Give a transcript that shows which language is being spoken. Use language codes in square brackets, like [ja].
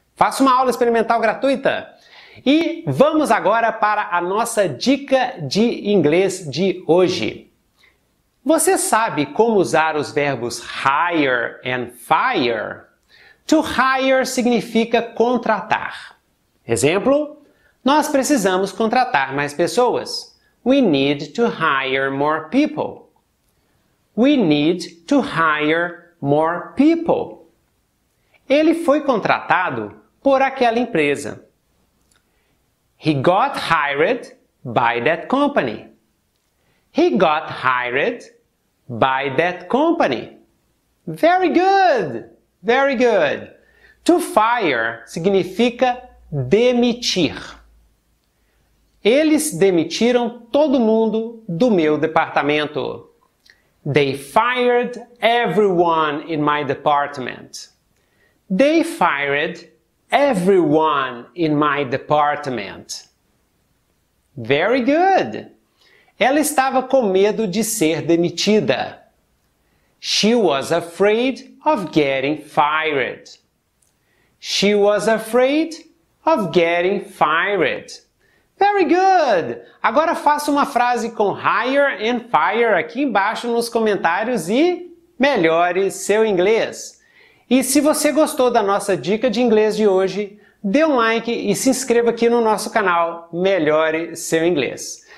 [pt] Faça uma aula experimental gratuita. E vamos agora para a nossa dica de inglês de hoje. Você sabe como usar os verbos hire and fire? To hire significa contratar. Exemplo: nós precisamos contratar mais pessoas. [en] We need to hire more people. We need to hire more people. [pt] Ele foi contratado por aquela empresa. [en] He got hired by that company. He got hired by that company. Very good! Very good! To fire [pt] significa demitir. Eles demitiram todo mundo do meu departamento. [en] They fired everyone in my department. They fired everyone in my department. Very good! [pt] Ela estava com medo de ser demitida. [en] She was afraid of getting fired. She was afraid of getting fired. Very good! [pt] Agora faça uma frase com hire and fire aqui embaixo nos comentários e melhore seu inglês. E se você gostou da nossa dica de inglês de hoje, dê um like e se inscreva aqui no nosso canal Melhore Seu Inglês.